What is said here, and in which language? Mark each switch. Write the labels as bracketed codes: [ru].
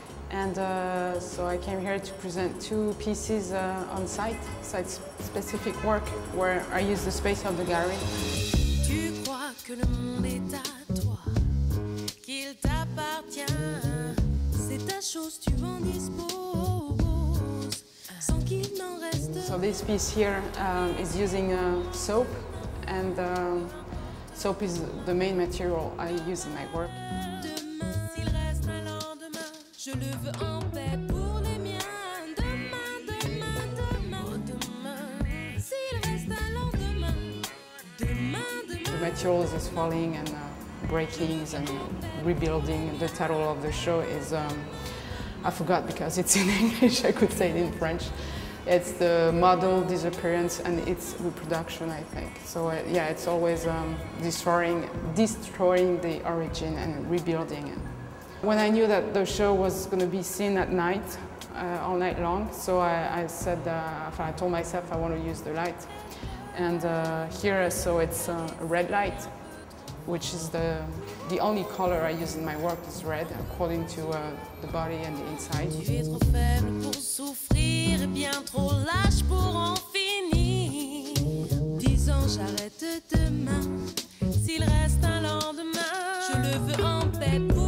[en] And so I came here to present two pieces on site, site-specific work, where I use the space of the gallery. [fr] Tu crois que le monde est à toi, qu'il t'appartient. C'est ta chose, tu en disposes, sans qu'il n'en reste. [en] So this piece here is using soap, and soap is the main material I use in my work. [fr] Je le veux en paix pour les miens. Demain, demain, demain, demain. S'il reste un lendemain. Demain, demain. [en] The materials is falling and breaking and rebuilding. The title of the show is, I forgot because it's in English, I could say it in French. It's the model disappearance and its reproduction, I think. So yeah, it's always destroying the origin and rebuilding it. When I knew that the show was going to be seen at night, all night long, so I told myself I want to use the light. And here, so it's a red light, which is the only color I use in my work is red, according to the body and the inside. [fr] Tu es trop faible pour souffrir, bien trop lâche pour en finir. Disons, j'arrête demain, s'il reste un lendemain, je le veux en paix.